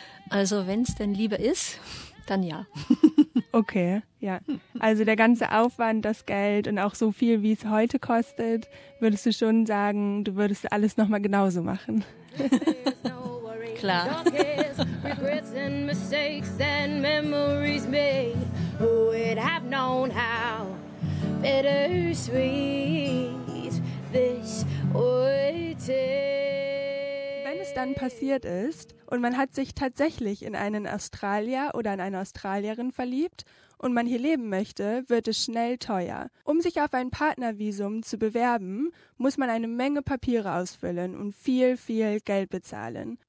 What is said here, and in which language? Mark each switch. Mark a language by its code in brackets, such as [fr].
[de] Also wenn es denn Liebe ist, dann ja. Okay, ja. Also der ganze Aufwand, das Geld und auch so viel, wie es heute kostet, würdest du schon sagen, du würdest alles nochmal genauso machen? Klar. [en] Regrets and mistakes and memories made. Who would have known how bittersweet this would taste. [de] Wenn es dann passiert ist und man hat sich tatsächlich in einen Australier oder in eine Australierin verliebt und man hier leben möchte, wird es schnell teuer. Um sich auf ein Partnervisum zu bewerben, muss man eine Menge Papiere ausfüllen und viel, viel Geld bezahlen.